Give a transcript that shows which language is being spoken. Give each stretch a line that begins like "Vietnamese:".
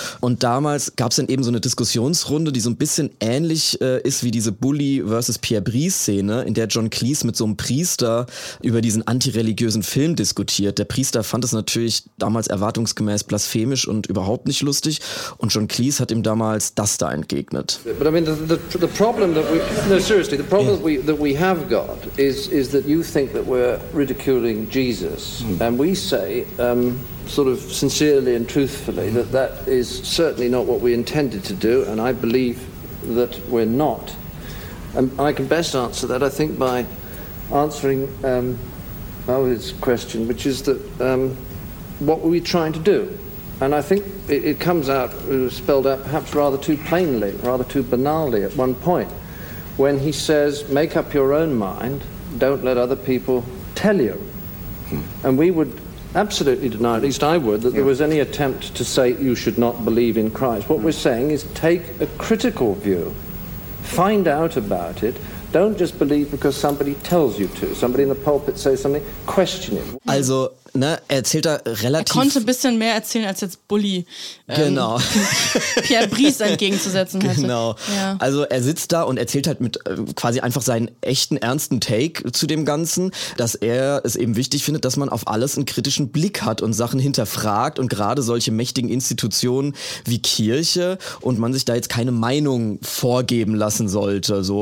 German: Und damals gab es dann eben so eine Diskussionsrunde, die so ein bisschen ähnlich ist wie diese Bully versus Pierre Brice-Szene, in der John Cleese mit so einem Priester über diesen antireligiösen Film diskutiert. Der Priester fand es natürlich damals erwartungsgemäß blasphemisch und überhaupt nicht lustig. Und John Cleese hat ihm damals das da entgegnet.
English: But I mean, the problem that we... No, seriously, the problem that we have got is that you think that we're ridiculing Jesus. And we say, sort of sincerely and truthfully, that is certainly not what we intended to do. And I believe that we're not. And I can best answer that, I think, by answering Mohit's question, which is that what were we trying to do? And I think it comes out, it was spelled out perhaps rather too plainly, rather too banally at one point, when he says, make up your own mind, don't let other people tell you. And we would absolutely deny, at least I would, that there was any attempt to say you should not believe in Christ. What we're saying is take a critical view, find out about it. Don't just believe because somebody tells you to. Somebody in the pulpit says something, question it.
German: Also, ne, er erzählt da relativ... Er konnte ein bisschen mehr erzählen, als jetzt Bully. Genau. Pierre Brice entgegenzusetzen hätte. Genau. Ja. Also er sitzt da und erzählt halt mit quasi einfach seinen echten, ernsten Take zu dem Ganzen, dass er es eben wichtig findet, dass man auf alles einen kritischen Blick hat und Sachen hinterfragt und gerade solche mächtigen Institutionen wie Kirche, und man sich da jetzt keine Meinung vorgeben lassen sollte. So.